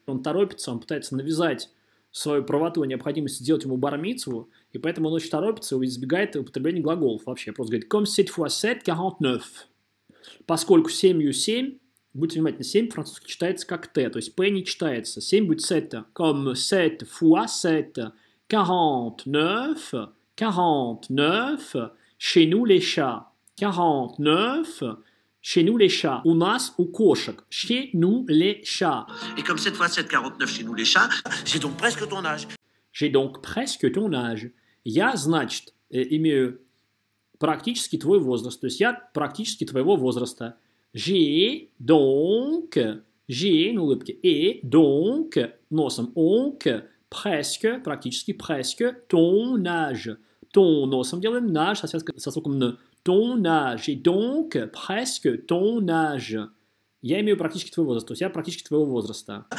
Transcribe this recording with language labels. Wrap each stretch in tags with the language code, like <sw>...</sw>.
<ru>Он торопится, он пытается навязать свою правоту и необходимость сделать ему бар-митсву. И поэтому он очень торопится и избегает употребления глаголов вообще. Просто говорит</ru> <fr>comme 7 fois 7, 49.</fr> <ru>Поскольку 7,7. Будьте внимательны, 7 по-французски читается как Т, то есть П не читается. 7 будет 7.</ru> <fr>Comme 7 fois 7, 49, 49, chez nous les chats. 49, chez nous les chats.</fr> <ru>У нас, у кошек.</ru> <fr>Chez nous les chats. Et comme 7 fois 7, 49, chez nous les chats, j'ai donc presque ton âge. J'ai donc presque ton âge.</fr> <ru>Я, значит, имею практически твой возраст. То есть я практически твоего возраста. J'ai donc, носом, onk, presque, практически, presque, ton âge. Ton, носом делаем, nage, со звуком n,</ru> <fr>ton âge. J'ai donc, presque, ton âge.</fr> <ru>Я имею практически твой возраст, то есть я практически твоего возраста.</ru>